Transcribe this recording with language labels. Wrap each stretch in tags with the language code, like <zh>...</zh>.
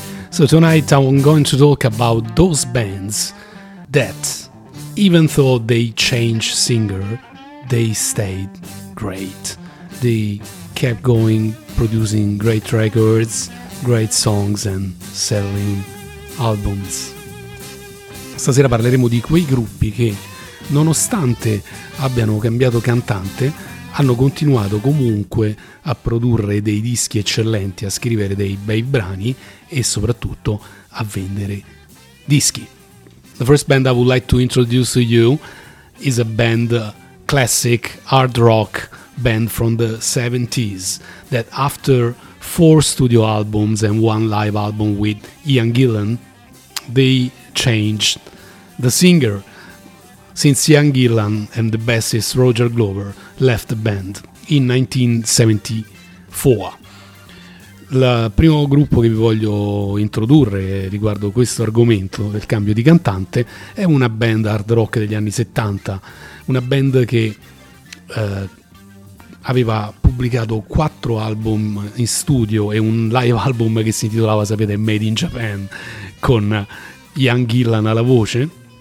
<en>So tonight I'm going to talk about those bands that, even though they changed singer, they stayed great. They kept going, producing great records, great songs and selling albums.</en> <it>Stasera parleremo di quei gruppi che, nonostante abbiano cambiato cantante, hanno continuato comunque a produrre dei dischi eccellenti, a scrivere dei bei brani e soprattutto a vendere dischi.</it> <en>The first band I would like to introduce to you is a band classic hard rock band from the 70s that after four studio albums and one live album with Ian Gillan, they changed the singer since Ian Gillan and the bassist Roger Glover left the band in 1974.</en> <it>Il primo gruppo che vi voglio introdurre riguardo questo argomento del cambio di cantante è una band hard rock degli anni 70, una band che aveva pubblicato quattro album in studio e un live album che si intitolava, sapete, Made in Japan, con Ian Gillan alla voce.</it>